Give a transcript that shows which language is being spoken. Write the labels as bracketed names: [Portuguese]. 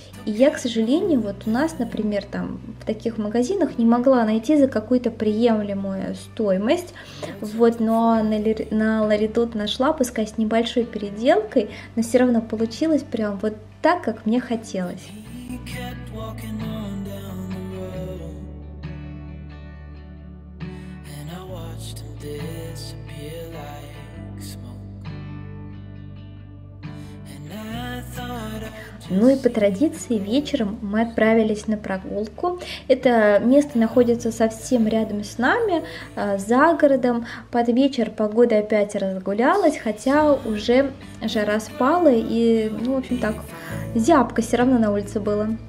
[Russian] И я, к сожалению, вот у нас, например, там в таких магазинах не могла найти за какую-то приемлемую стоимость. Вот, но на Ларитуд нашла, пускай с небольшой переделкой, но все равно получилось прям вот так, как мне хотелось. [English] Kept walking on down the road, and I watched him disappear like smoke. And I thought I... [Russian] Ну и по традиции вечером мы отправились на прогулку. Это место находится совсем рядом с нами, за городом. Под вечер погода опять разгулялась, хотя уже жара спала и, ну, в общем так, зябко все равно на улице было.